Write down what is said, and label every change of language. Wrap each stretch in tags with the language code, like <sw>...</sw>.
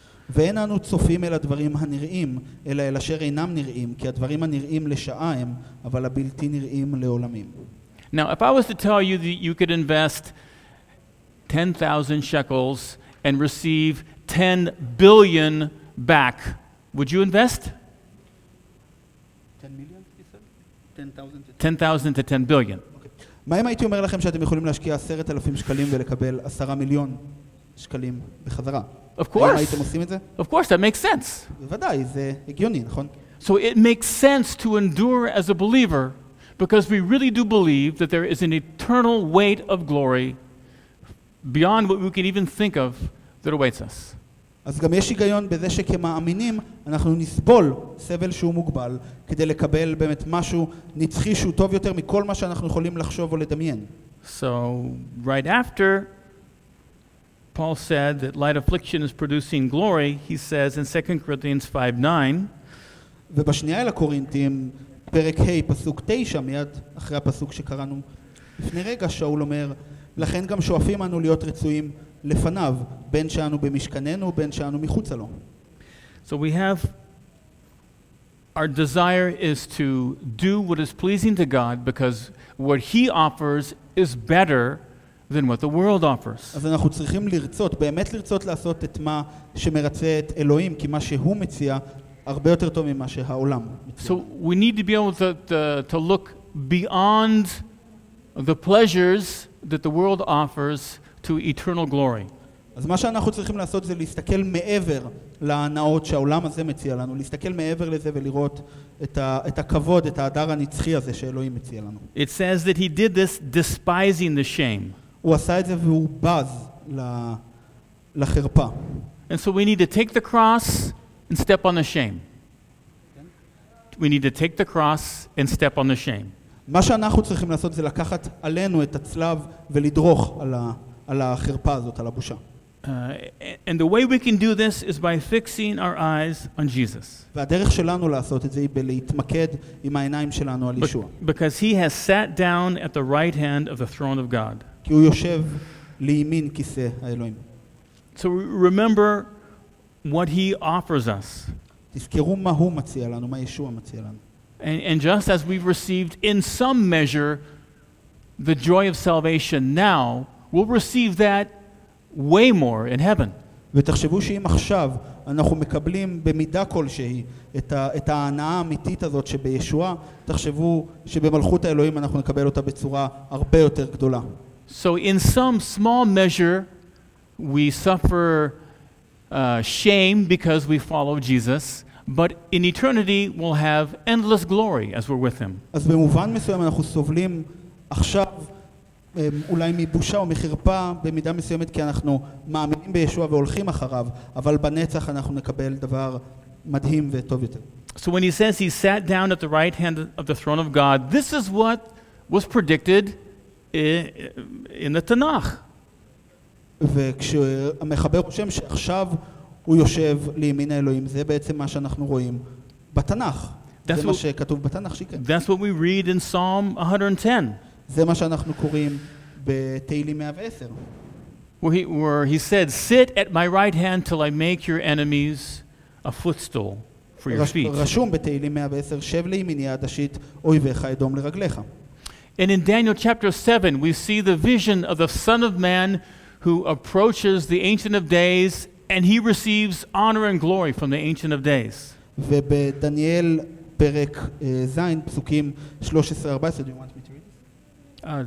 <he>ואין אנו צופים אל הדברים הנראים, אלא אל אשר אינם נראים, כי הדברים הנראים לשעה הם, אבל הבלתי נראים לעולמים.</he> <en>Now, if I was to tell you that you could invest 10,000 shekels and receive 10 billion back, would you invest? 10,000 to 10 billion.</en> <he>מה אם הייתי אומר לכם שאתם יכולים להשקיע 10,000 שקלים ולקבל 10 מיליון שקלים בחזרה?</he> <en>Of course.</en> <he>האם הייתם עושים את זה?</he> <en>Of course, that makes sense.</en> <he>בוודאי, זה הגיוני, נכון?</he> <en>So it makes sense to endure as a believer because we really do believe that there is an eternal weight of glory beyond what we can even think of that awaits us.</en> <he>אז גם יש היגיון בזה שכמאמינים אנחנו נסבול סבל שהוא מוגבל כדי לקבל באמת משהו נצחי שהוא טוב יותר מכל מה שאנחנו יכולים לחשוב או לדמיין.</he> <en>So right after Paul said that light affliction is producing glory, he says in 2 Corinthians 5:9,</en> <he>ובשנייה לקורינתים פרק ה' פסוק 9, מיד אחרי הפסוק שקראנו לפני רגע, שאול אומר, לכן גם שואפים אנו להיות רצויים לפניו, בין שאנו במשכננו ובין שאנו מחוצה לו.</he> <en>So we have our desire is to do what is pleasing to God because what he offers is better than what the world offers.</en> <he>אז אנחנו צריכים לרצות, באמת לרצות לעשות את מה שמרצה את אלוהים, כי מה שהוא מציע הרבה יותר טוב ממה שהעולם מציע.</he> <en>So we need to be able to look beyond the pleasures that the world offers to eternal glory.</en> <he>אז מה שאנחנו צריכים לעשות זה להסתכל מעבר להנאות שהעולם הזה מציע לנו, להסתכל מעבר לזה ולראות את הכבוד, את ההדר הנצחי הזה שאלוהים מציע לנו.</he> <en>It says that he did this despising the shame.</en> <he>הוא עשה את זה והוא בז לחרפה.</he> <en>And so we need to take the cross and step on the shame. we need to take the cross and step on the shame.</en> <he>מה שאנחנו צריכים לעשות זה לקחת עלינו את הצלב ולדרוך על על החרפה הזאת, על הבושה.</he> <en>And the way we can do this is by fixing our eyes on Jesus.</en> <he>והדרך שלנו לעשות את זה היא להתמקד עם העיניים שלנו על ישוע.</he> <en>Because he has sat down at the right hand of the throne of God.</en> <he>כי הוא יושב לימין כיסא האלוהים.</he> <en>So remember what he offers us.</en> <he>תזכרו מה הוא מציע לנו, מה ישוע מציע לנו.</he> <en>And just as we've received in some measure the joy of salvation now, we'll receive that way more in heaven.</en> <he>ותחשבו שאם עכשיו אנחנו מקבלים במידה כלשהי את ההנאה האמיתית הזאת שבישוע, תחשבו שבמלכות האלוהים אנחנו נקבל אותה בצורה הרבה יותר גדולה.</he> <en>So in some small measure we suffer shame because we follow Jesus, but in eternity we'll have endless glory as we're with him.</en> <he>אז במובן מסוים אנחנו סובלים עכשיו אולי מבושה או מחרפה במידה מסוימת כי אנחנו מאמינים בישוע והולכים אחריו, אבל בנצח אנחנו נקבל דבר מדהים וטוב יותר.</he> <en>So when he says he sat down at the right hand of the throne of God, this is what was predicted in the Tanakh.</en> <he>וכשהמחבר חושב שעכשיו הוא יושב לימין האלוהים, זה בעצם מה שאנחנו רואים בתנך. זה מה שכתוב בתנך שיקן.</he> <en>That's what we read in Psalm 110.</en> <he>זה מה שאנחנו קוראים בתהילים 110.</he> <en>Where he said, sit at my right hand till I make your enemies a footstool for your feet.</en> <he>רשום בתהילים 110, שב לימיני עד אשית אויביך אדום לרגליך.</he> <en>And in Daniel chapter 7, we see the vision of the Son of Man who approaches the Ancient of Days, and he receives honor and glory from the Ancient of Days.</en> <he>ובדניאל פרק זין פסוקים 13-14,</he> <en>do you want me to read</en>